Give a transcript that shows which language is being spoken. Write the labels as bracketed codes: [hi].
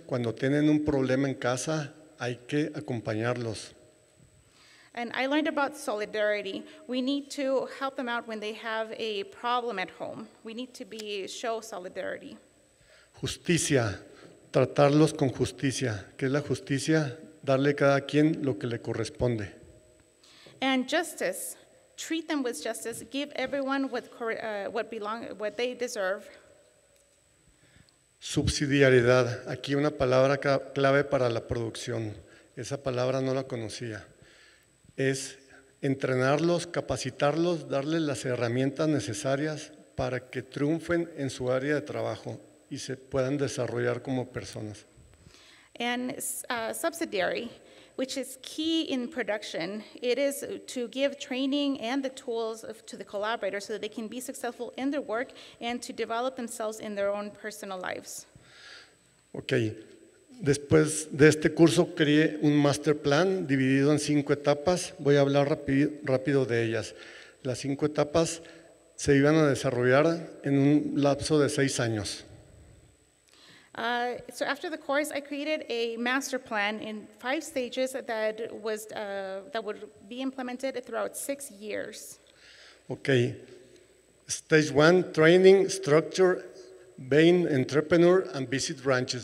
[es] Cuando tienen un problema en casa, hay que acompañarlos. [en] And I learned about solidarity. We need to help them out when they have a problem at home. We need to show solidarity. [es] Justicia. Tratarlos con justicia. ¿Qué es la justicia? Darle a cada quien lo que le corresponde. [en] And justice. Treat them with justice. Give everyone what they deserve. [es] Subsidiariedad. Aquí una palabra clave para la producción. Esa palabra no la conocía. Es entrenarlos, capacitarlos, darles las herramientas necesarias para que triunfen en su área de trabajo y se puedan desarrollar como personas. [en] And subsidiary, which is key in production, it is to give training and the tools to the collaborators so that they can be successful in their work and to develop themselves in their own personal lives. Okay. [es] Después de este curso creé un master plan dividido en 5 etapas. Voy a hablar rápido de ellas. Las 5 etapas se iban a desarrollar en un lapso de 6 años. [en] So after the course, I created a master plan in 5 stages that was that would be implemented throughout 6 years. Okay. Stage 1, training, structure, Bain entrepreneur and visit ranches.